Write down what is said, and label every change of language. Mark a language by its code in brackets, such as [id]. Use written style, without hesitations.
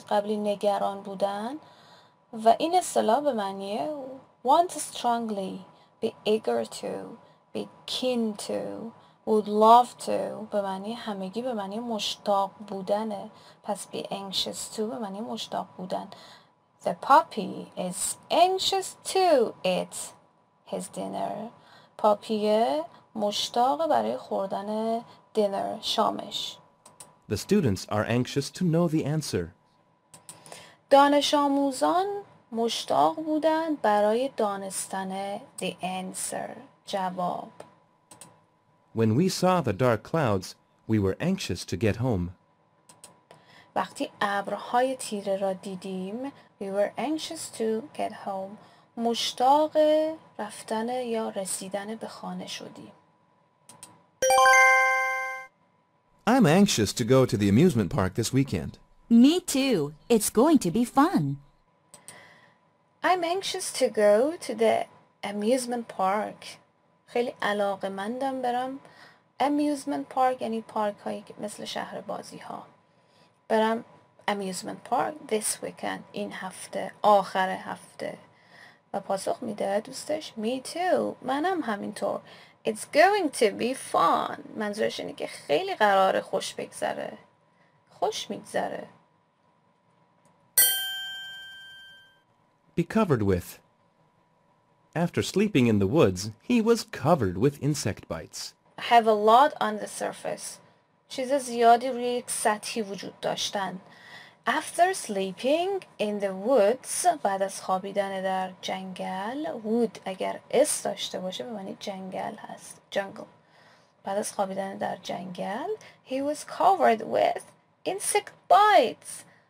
[fa] قبلی نگران بودن و این اصطلاح به معنیه [en] want strongly, be eager to, be keen to, would love to [fa] به معنی همگی به معنی مشتاق بودنه. پس [en] be anxious to [fa] به معنی مشتاق بودن. [en] The puppy is anxious to eat his dinner. [fa] پاپی مشتاق برای خوردن دینر شامش. [en] The students are anxious to know the answer. [fa] دانش آموزان مشتاق بودن برای دانستن [en] the answer [fa] جواب. [en] When we saw the dark clouds, we were anxious to get home. [fa] وقتی ابرهای تیره را دیدیم, [en] we were anxious to get home. [fa] مشتاق رفتن یا رسیدن به خانه شدیم. [en] I'm anxious to go to the amusement park this weekend. Me too. It's going to be fun. I'm anxious to go to the amusement park. [fa] خیلی علاقه مندم برم. Amusement park یعنی پارک هایی مثل شهر بازی ها. برم [en] amusement park this weekend. [fa] این هفته. آخر هفته. و پاسخ میده دوستش. [en] Me too. [fa] منم همینطور. [en] It's going to be fun. [fa] منظورش اینه که خیلی قرار خوش بگذره. خوش میگذره. [en] Be covered with. After sleeping in the woods, he was covered with insect bites. Have a lot on the surface. [fa] چیز زیادی روی یک سطحی وجود داشتن. [en] After sleeping in the woods, [fa] بعد از خوابیدن در جنگل, wood اگر اس داشته باشه به معنی جنگل هست. [en] Jungle. [fa] بعد از خوابیدن در جنگل, [en] he was covered with insect bites.